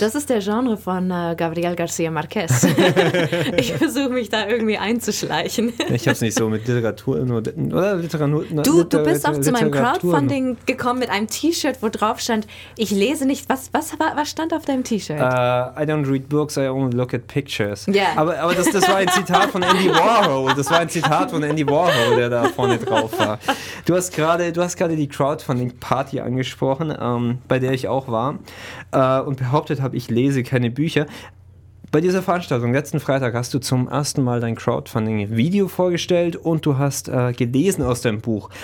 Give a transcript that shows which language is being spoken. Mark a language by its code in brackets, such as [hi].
[de] Das ist der Genre von Gabriel García Márquez. Ich versuche mich da irgendwie einzuschleichen. Ich habe es nicht so mit Literatur, oder Literatur. Du bist auch zu meinem Crowdfunding gekommen mit einem T-Shirt, wo drauf stand, ich lese nicht, was stand auf deinem T-Shirt? [en] I don't read books, I only look at pictures. Yeah. [de] Aber das war ein Zitat von Andy Warhol, der da vorne drauf war. Du hast gerade die Crowdfunding-Party angesprochen, bei der ich auch war und behauptet habe, ich lese keine Bücher. Bei dieser Veranstaltung letzten Freitag hast du zum ersten Mal dein Crowdfunding-Video vorgestellt und du hast gelesen aus deinem Buch.